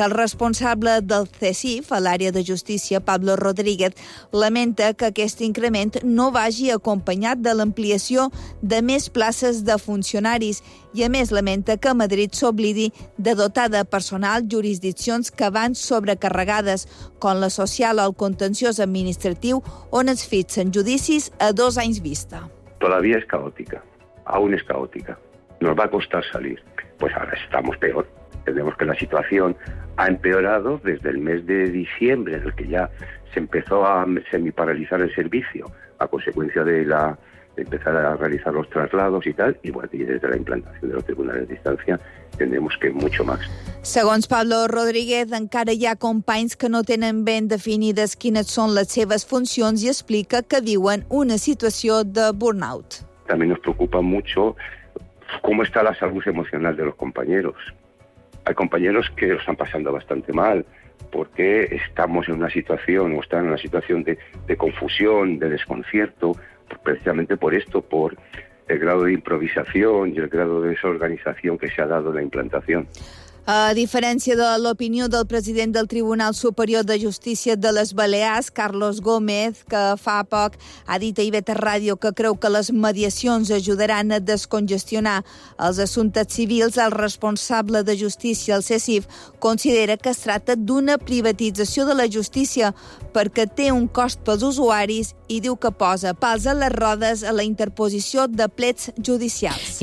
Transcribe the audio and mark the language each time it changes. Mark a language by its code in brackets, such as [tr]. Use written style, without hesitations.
[ca] El responsable del CESIF a l'àrea de justícia, Pablo Rodríguez, lamenta que aquest increment no vagi acompanyat de l'ampliació de més places de funcionaris i, a més, lamenta que Madrid s'oblidi de dotar de personal jurisdiccions que van sobrecarregades, com la social o el contenciós administratiu, on es fixen judicis a 2 anys vista. [es] Todavía es caótica, aún es caótica. Nos va a costar salir. Pues ahora estamos peor. Entendemos que la situación ha empeorado desde el mes de diciembre, en el que ya se empezó a semiparalizar el servicio a consecuencia de la de empezar a realizar los traslados y tal, y bueno, y desde la implantación de los tribunales de distancia tendremos que mucho más. [ca] Segons Pablo Rodríguez, encara hi ha companys que no tenen ben definides quines són les seves funcions i explica que viuen una situació de burnout. [es] També nos preocupa mucho ¿cómo está la salud emocional de los compañeros? Hay compañeros que lo están pasando bastante mal porque estamos en una situación o están en una situación de confusión, de desconcierto, precisamente por esto, por el grado de improvisación y el grado de desorganización que se ha dado en la implantación. [ca] A diferència de l'opinió del president del Tribunal Superior de Justícia de les Balears, Carlos Gómez, que fa poc ha dit a Iveta Ràdio que creu que les mediacions ajudaran a descongestionar els assumptes civils, el responsable de justícia, el CESIF, considera que es tracta d'una privatització de la justícia perquè té un cost pels usuaris i diu que posa pals a les rodes a la interposició de plets judicials.